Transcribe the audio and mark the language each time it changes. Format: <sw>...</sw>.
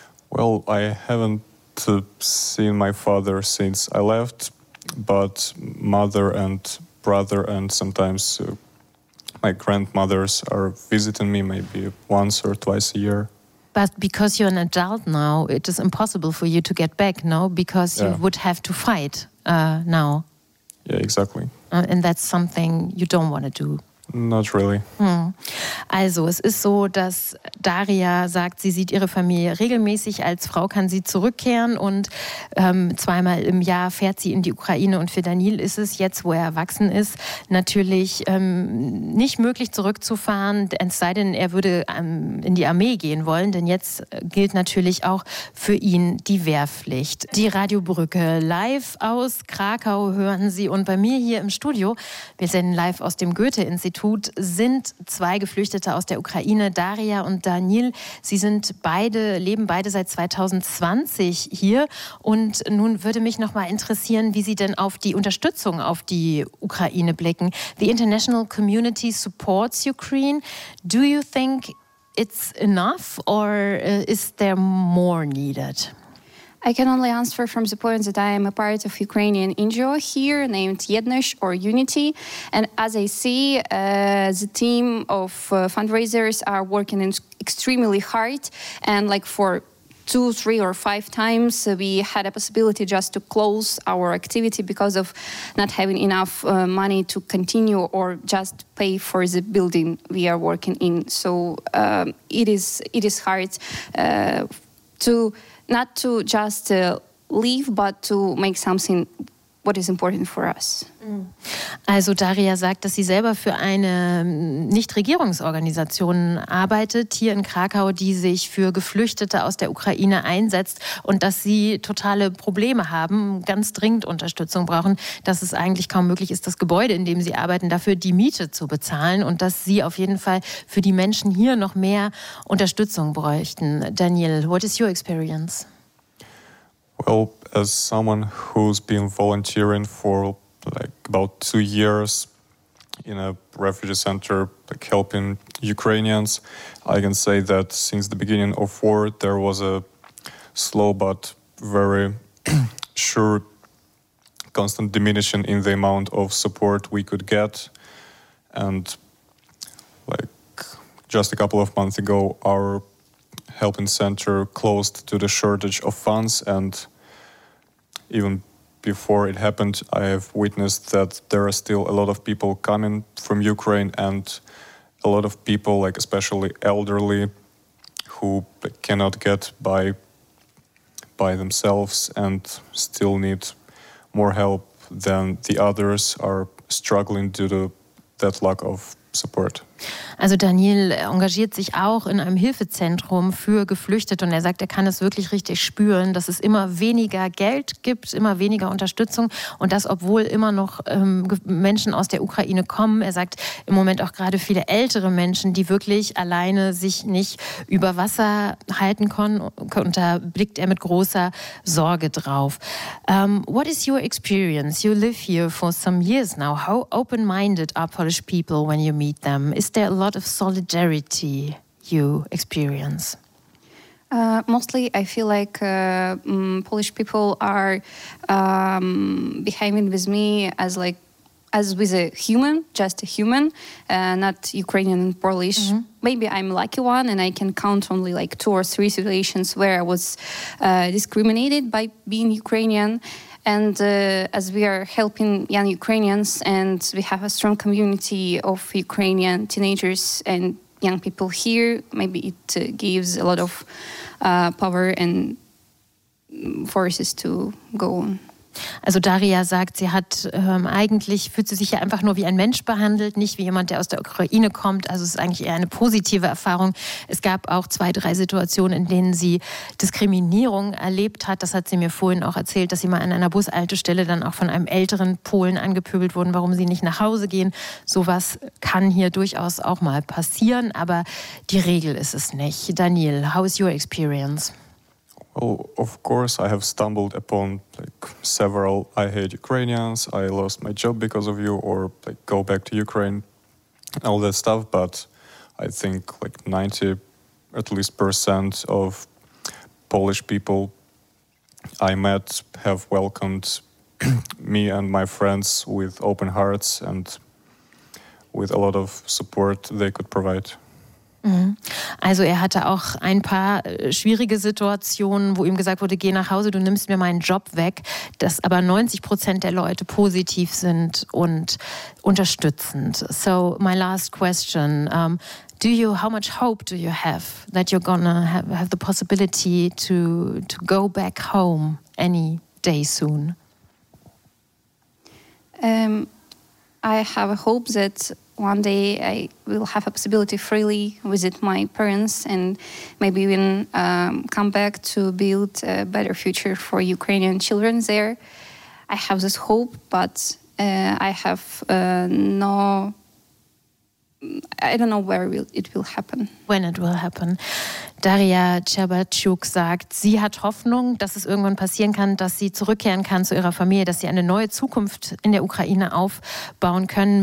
<en>Well, I haven't seen my father since I left, but mother and brother and sometimes my grandmothers are visiting me maybe once or twice a year. But because you're an adult now, it is impossible for you to get back, no? Because you would have to fight now. Yeah, exactly. And that's something you don't want to do. Not really. Hm.</en> <de>Also, es ist so, dass Daria sagt, sie sieht ihre Familie regelmäßig. Als Frau kann sie zurückkehren und zweimal im Jahr fährt sie in die Ukraine. Und für Daniil ist es jetzt, wo er erwachsen ist, natürlich nicht möglich zurückzufahren, es sei denn, er würde in die Armee gehen wollen. Denn jetzt gilt natürlich auch für ihn die Wehrpflicht. Die Radiobrücke live aus Krakau hören Sie. Und bei mir hier im Studio, wir senden live aus dem Goethe-Institut, sind zwei Geflüchtete aus der Ukraine, Daria und Daniil. Sie sind beide, leben beide seit 2020 hier. Und nun würde mich noch mal interessieren, wie Sie denn auf die Unterstützung auf die Ukraine blicken.</de> <en>The international community supports Ukraine. Do you think it's enough or is there more needed? I can only answer from the point that I am a part of Ukrainian NGO here named Yednosh or Unity. And as I see, the team of fundraisers are working extremely hard. And like for 2, 3, or 5 times, we had a possibility just to close our activity because of not having enough money to continue or just pay for the building we are working in. So it is hard to... not to just leave, but to make something what is important for us.</en> <de>Also Daria sagt, dass sie selber für eine Nichtregierungsorganisation arbeitet hier in Krakau, die sich für Geflüchtete aus der Ukraine einsetzt und dass sie totale Probleme haben, ganz dringend Unterstützung brauchen, dass es eigentlich kaum möglich ist, das Gebäude, in dem sie arbeiten, dafür die Miete zu bezahlen und dass sie auf jeden Fall für die Menschen hier noch mehr Unterstützung bräuchten.</de> <en>Daniil, what is your experience? Well, as someone who's been volunteering for like about 2 years in a refugee center, like helping Ukrainians, I can say that since the beginning of war, there was a slow but very sure constant diminishing in the amount of support we could get. And like just a couple of months ago, our helping center closed due to the shortage of funds, and even before it happened, I have witnessed that there are still a lot of people coming from Ukraine and a lot of people, like especially elderly, who cannot get by themselves and still need more help than the others are struggling due to that lack of support.</en> <de>Also Daniil engagiert sich auch in einem Hilfezentrum für Geflüchtete und er sagt, er kann es wirklich richtig spüren, dass es immer weniger Geld gibt, immer weniger Unterstützung und das, obwohl immer noch Menschen aus der Ukraine kommen. Er sagt im Moment auch gerade viele ältere Menschen, die wirklich alleine sich nicht über Wasser halten können, und da blickt er mit großer Sorge drauf.</de> <en>What is your experience? You live here for some years now. How open-minded are Polish people when you meet them? Is there a lot of solidarity you experience? Mostly, I feel like Polish people are behaving with me as like as with a human, just a human, not Ukrainian and Polish. Mm-hmm. Maybe I'm lucky one, and I can count only like two or three situations where I was discriminated by being Ukrainian. And as we are helping young Ukrainians, and we have a strong community of Ukrainian teenagers and young people here, maybe it gives a lot of power and forces to go on.</en> <de>Also Daria sagt, sie hat eigentlich fühlt sie sich ja einfach nur wie ein Mensch behandelt, nicht wie jemand, der aus der Ukraine kommt. Also es ist eigentlich eher eine positive Erfahrung. Es gab auch zwei, drei Situationen, in denen sie Diskriminierung erlebt hat. Das hat sie mir vorhin auch erzählt, dass sie mal an einer Bushaltestelle dann auch von einem älteren Polen angepöbelt wurden, warum sie nicht nach Hause gehen. Sowas kann hier durchaus auch mal passieren, aber die Regel ist es nicht.</de> <en>Daniel, how is your experience? Well, of course, I have stumbled upon like several "I hate Ukrainians," "I lost my job because of you," or like "go back to Ukraine," all that stuff. But I think like 90, at least percent of Polish people I met have welcomed me and my friends with open hearts and with a lot of support they could provide.</en> <de>Also er hatte auch ein paar schwierige Situationen, wo ihm gesagt wurde, geh nach Hause, du nimmst mir meinen Job weg, dass aber 90% der Leute positiv sind und unterstützend.</de> <en>So my last question, how much hope do you have that you're gonna have the possibility to go back home any day soon? I have a hope that one day I will have a possibility freely visit my parents and maybe even come back to build a better future for Ukrainian children there. I have this hope, but I have no... I don't know where it will happen. When it will happen.</en> <de>Daria Czerbaczuk sagt, sie hat Hoffnung, dass es irgendwann passieren kann, dass sie zurückkehren kann zu ihrer Familie, dass sie eine neue Zukunft in der Ukraine aufbauen können.</de>